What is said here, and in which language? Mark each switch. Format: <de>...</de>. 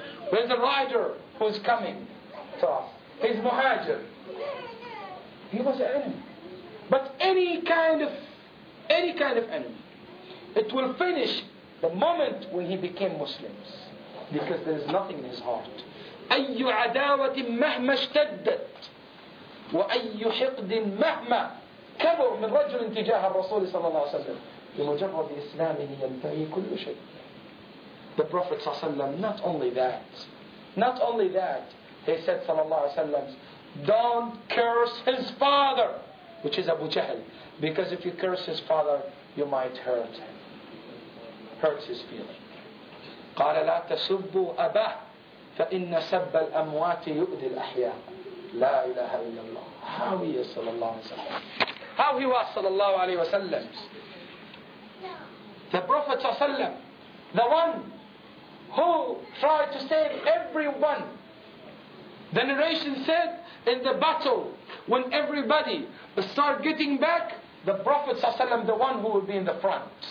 <en>There's a rider who's coming to us. He's muhajir. He was an enemy. But any kind of enemy, it will finish the moment when he became Muslims, because there is nothing in his heart.</en> <ar>أي عداوة مهما اشتدت وأي حقد مهما كبر من رجل تجاه الرسول صلى الله عليه وسلم بمجرد إسلامه ينتهي كل شيء.</ar> <en>The Prophet</en> <ar>صلى الله عليه وسلم,</ar> <en>not only that, he said صلى الله عليه وسلم, don't curse his father, which is Abu Jahl, because if you curse his father, you might hurt him, hurts his feeling.</en> <ar>قال لا تسبوا أباه فإن سب الأموات يؤذي الأحياء. لا إله إلا الله.</ar> <en>How he is</en> <ar>صلى الله عليه وسلم.</ar> <en>How he was</en> <ar>صلى الله عليه وسلم.</ar> <en>The Prophet</en> <ar>صلى الله عليه وسلم,</ar> <en>the one who tried to save everyone. The narration said, in the battle, when everybody started getting back, the Prophet</en> <ar>صلى الله عليه وسلم,</ar> <en>the one who would be in the front.</en>